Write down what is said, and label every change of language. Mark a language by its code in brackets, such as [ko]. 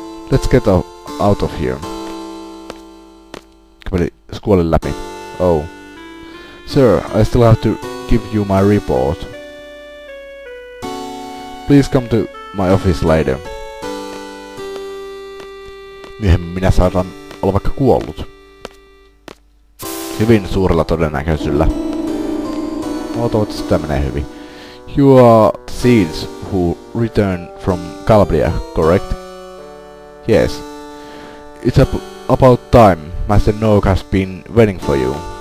[en] Let's get out of here. [fi] Kävi skuolin läpi. [en] Oh. Sir, I still have to give you my report. Please come to my office later. [fi] Myöhemmin minä saatan olla vaikka kuollut. Hyvin suurella todennäköisyydellä. Toivottavasti sitä menee hyvin. [en] You are seeds who return from Calabria, correct? Yes. It's about time. Master Noak has been waiting for you.